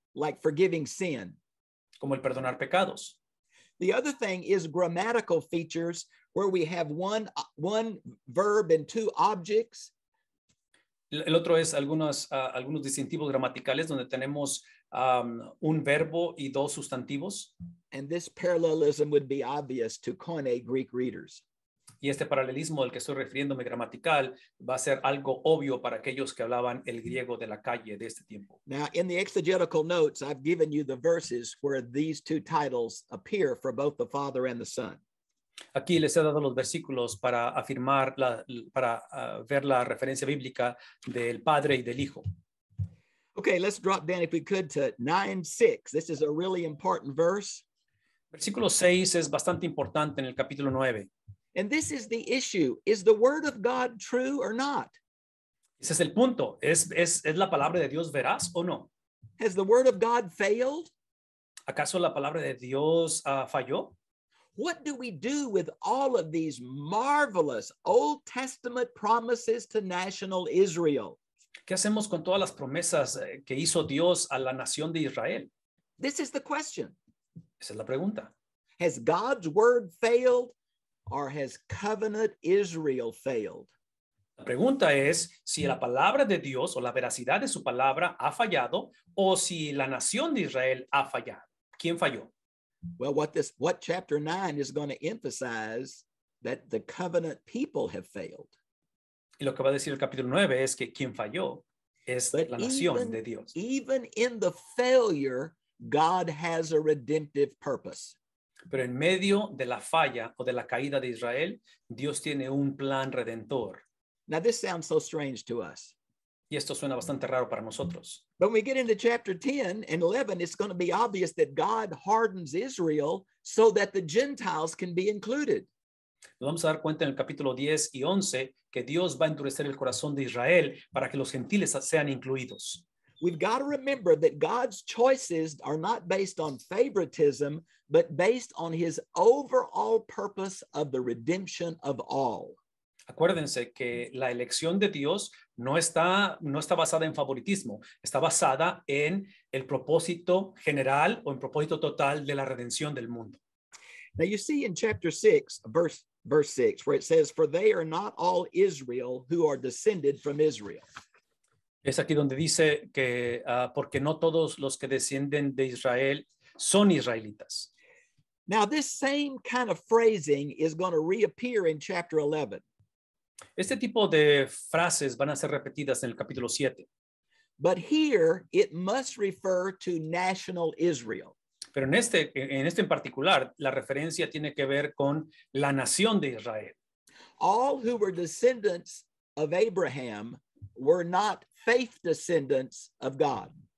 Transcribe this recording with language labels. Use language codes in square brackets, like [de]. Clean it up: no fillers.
[en] Like forgiving sin. [es] Como el perdonar pecados. [en] The other thing is grammatical features where we have one verb and two objects. [es] El otro es algunos distintivos gramaticales donde tenemos un verbo y dos sustantivos. [en] And this parallelism would be obvious to Koine Greek readers. [es] Y este paralelismo al que estoy refiriéndome gramatical va a ser algo obvio para aquellos que hablaban el griego de la calle de este tiempo. [en] Now, in the exegetical notes, I've given you the verses where these two titles appear for both the Father and the Son. [es] Aquí les he dado los versículos para afirmar, ver la referencia bíblica del Padre y del Hijo. [en] Okay, let's drop down if we could to 9:6. This is a really important verse. [es] Versículo 6 es bastante importante en el capítulo 9. [en] And this is the issue. Is the word of God true or not? [es] Ese es el punto. ¿Es la palabra de Dios veraz o no? [en] Has the word of God failed? [es] ¿Acaso la palabra de Dios falló? [en] What do we do with all of these marvelous Old Testament promises to national Israel? [es] ¿Qué hacemos con todas las promesas que hizo Dios a la nación de Israel? [en] This is the question. [es] Esa es la pregunta. [en] Has God's word failed? Or has covenant Israel failed? [es] La pregunta es si la palabra de Dios o la veracidad de su palabra ha fallado o si la nación de Israel ha fallado. ¿Quién falló? [en] Well, what chapter 9 is going to emphasize that the covenant people have failed. [es] Y lo que va a decir el capítulo 9 es que quien falló es [en] but [es] la nación [en] even, [es] de Dios. [en] Even in the failure, God has a redemptive purpose. [es] Pero en medio de la falla o de la caída de Israel, Dios tiene un plan redentor. [en] Now this sounds so strange to us. [es] Y esto suena bastante raro para nosotros. [en] But when we get into chapter 10 and 11, it's going to be obvious that God hardens Israel so that the Gentiles can be included. [es] Nos vamos a dar cuenta en el capítulo 10 y 11 que Dios va a endurecer el corazón de Israel para que los gentiles sean incluidos. [en] We've got to remember that God's choices are not based on favoritism, but based on his overall purpose of the redemption of all. [es] Acuérdense que la elección de Dios no está basada en favoritismo, está basada en el propósito general o en propósito total de la redención del mundo. [en] Now you see in chapter 6, verse 6, where it says, "For they are not all Israel who are descended from Israel." [es] Es aquí donde dice que porque no todos los que descienden de Israel son israelitas. [en] Now this same kind of phrasing is going to reappear in chapter 11. [es] Este tipo de frases van a ser repetidas en el capítulo 7. [en] But here it must refer to national Israel. [es] Pero en este en particular, la referencia tiene que ver con la nación de Israel. [en] All who were descendants of Abraham were not faith descendants of God.